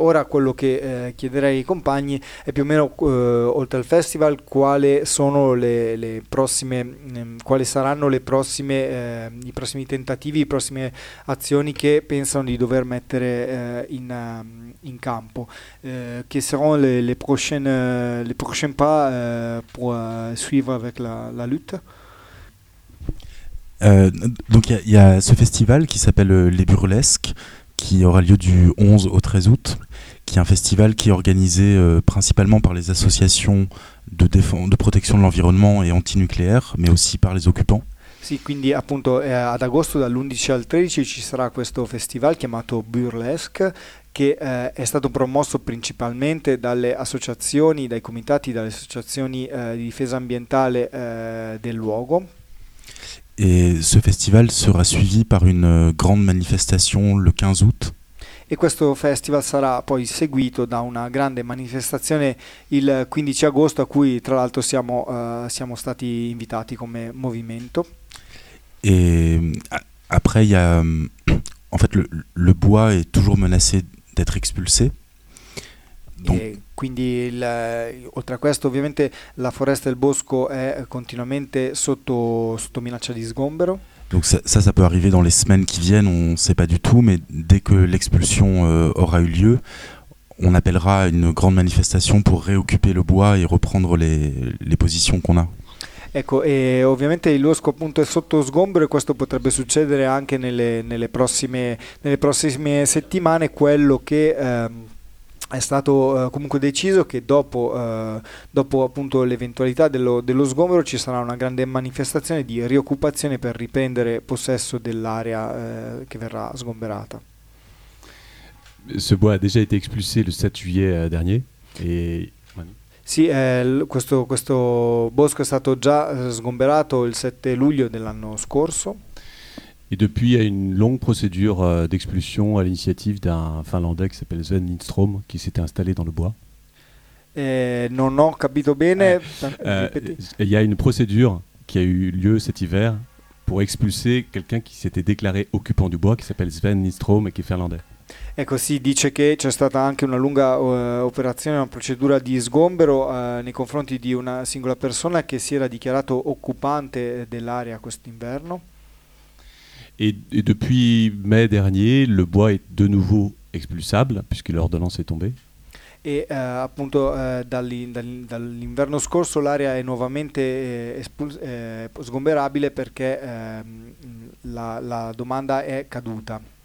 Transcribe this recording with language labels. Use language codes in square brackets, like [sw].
[it] Ora quello che chiederei ai compagni è più o meno oltre al festival quali sono le prossime quali saranno le prossime i prossimi tentativi, le prossime azioni che pensano di dover mettere in campo. [fr] Quelles seront les prochains pas pour suivre avec la lutte? Donc il y a ce festival qui s'appelle Les Burlesques, qui aura lieu du 11 au 13 août, qui est un festival qui est organisé principalement par les associations de protection de l'environnement et anti-nucléaire, mais aussi par les occupants. [it] Sì, quindi appunto ad agosto dall'11 al 13 ci sarà questo festival chiamato Burlesque che è stato promosso principalmente dalle associazioni, dai comitati, dalle associazioni di difesa ambientale del luogo. [fr] Et ce festival sera suivi par une grande manifestation le 15 août. [it] E questo festival sarà poi seguito da una grande manifestazione il 15 agosto a cui tra l'altro siamo stati invitati come movimento. [fr] Et après il y a en fait le bois est toujours menacé d'être expulsé. [it] Donc, quindi oltre a questo ovviamente la foresta e il bosco è continuamente sotto minaccia di sgombero. [fr] Donc ça peut arriver dans les semaines qui viennent, on sait pas du tout, mais dès que l'expulsion aura eu lieu, on appellera une grande manifestation pour réoccuper le bois et reprendre les positions qu'on a. [it] Ecco, e ovviamente il bosco appunto è sotto sgombero e questo potrebbe succedere anche nelle prossime settimane, quello che è stato comunque deciso che dopo appunto l'eventualità dello sgombero ci sarà una grande manifestazione di rioccupazione per riprendere possesso dell'area che verrà sgomberata. [fr] Ce bois a déjà été expulsé le 7 juillet dernier et... [it] Sì, questo bosco è stato già sgomberato il 7 luglio dell'anno scorso. [fr] Et depuis, il y a une longue procédure d'expulsion à l'initiative d'un Finlandais qui s'appelle Sven Lindström, qui s'était installé dans le bois. [it] Non ho capito bene. [fr] Il y a une procédure qui a eu lieu cet hiver pour expulser quelqu'un qui s'était déclaré occupant du bois, qui s'appelle Sven Lindström et qui est finlandais. [it] Ecco, si dice che c'è stata anche una lunga operazione, una procedura di sgombero nei confronti di una singola persona che si era dichiarato occupante dell'area quest'inverno. [fr] Et depuis mai dernier, le bois est de nouveau expulsable, puisque l'ordonnance est tombée. [it] Et appunto, dall'inverno scorso, l'area è nuovamente sgomberabile perché la domanda è caduta.